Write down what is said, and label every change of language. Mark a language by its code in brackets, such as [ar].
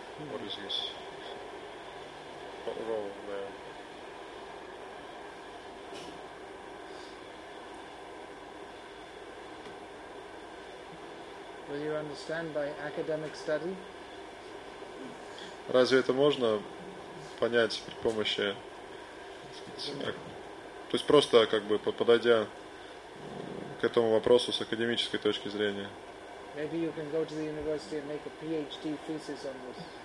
[en] What is his role there? Will you understand by academic study? [ru] Разве это можно понять при помощи, то есть просто как бы подойдя к этому вопросу с академической точки зрения? [en] Maybe you can go to the university and make a PhD thesis on this.